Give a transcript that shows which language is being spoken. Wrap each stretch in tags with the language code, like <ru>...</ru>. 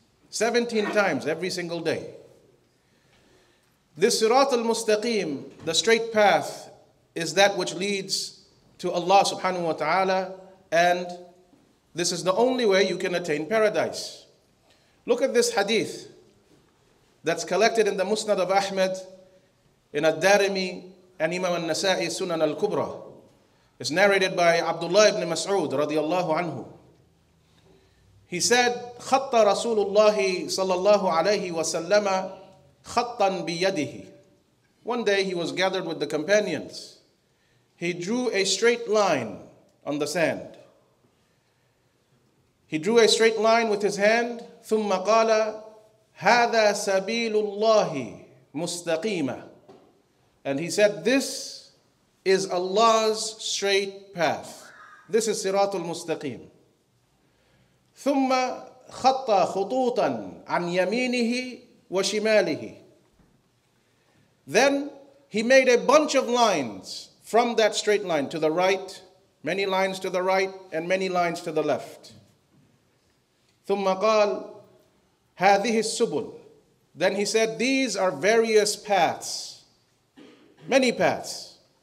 <en>17 times every single day. This Sirat al-Mustaqim, the straight path, is that which leads to Allah subhanahu wa ta'ala, and this is the only way you can attain paradise. Look at this hadith that's collected in the Musnad of Ahmed, in Ad-Darimi, and Imam al-Nasa'i, Sunan al-Kubra. It's narrated by Abdullah ibn Mas'ud, radiallahu anhu. He said,</en> <ar>خَطَّ رَسُولُ اللَّهِ صَلَّى اللَّهُ عَلَيْهِ وَسَلَّمَ خَطًّا بِيَدِهِ.</ar> <en>One day he was gathered with the companions. He drew a straight line on the sand. He drew a straight line with his hand.</en> <ar>ثم قال هذا سبيل الله مستقيمة.</ar> <en>And he said, this is Allah's straight path. This is Sirat al-Mustaqim.</en> <ar>ثم خط خطوطا عن يمينه وشماله.</ar> <en>Then he made a bunch of lines from that straight line to the right, many lines to the right and many lines to the left.</en> <ar>ثم قال هذه السبل.</ar> <en>Then he said, these are various paths, many paths.</en>